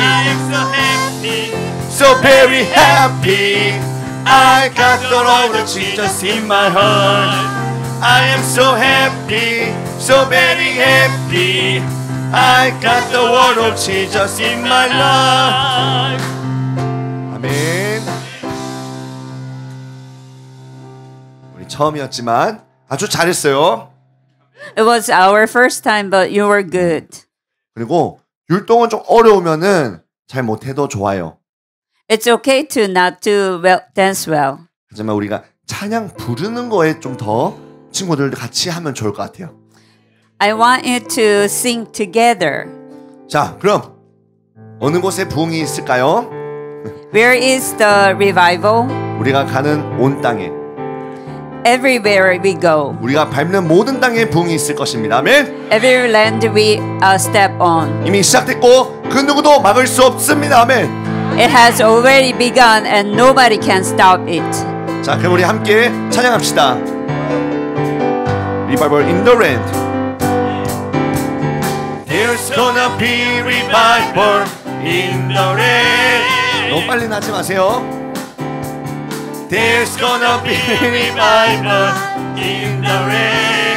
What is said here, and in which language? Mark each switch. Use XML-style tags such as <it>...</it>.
<en>I am so happy, so very happy. I got the love of Jesus in my heart. I am so happy, so very happy. I got the word of Jesus in my life.</en> <ko>아멘. 우리 처음이었지만 아주 잘했어요.</ko> <en>It was our first time, but you were good.</en> <ko>그리고 율동은 좀 어려우면은 잘 못해도 좋아요.</ko> <en>It's okay to not do well, dance well.</en> <ko>하지만 우리가 찬양 부르는 거에 좀 더 친구들 같이 하면 좋을 것 같아요.</ko> <en>I want you to sing together.</en> <ko>자, 그럼 어느 곳에 부흥이 있을까요?</ko> <en>Where is the revival?</en> <ko>우리가 가는 온 땅에.</ko> <en>Everywhere we go.</en> <ko>우리가 밟는 모든 땅에 부흥이 있을 것입니다. 아멘.</ko> <en>Every land we step on.</en> <ko>이미 시작됐고 그 누구도 막을 수 없습니다. 아멘.</ko> <en>It has already begun and nobody can stop it.</en> <ko>자, 그럼 우리 함께 찬양합시다.</ko> <en>Revival in the land. There's gonna be revival in the land.</en> <ko>너무 빨리 나지 마세요.</ko> <en>There's gonna be revival in the land.</en>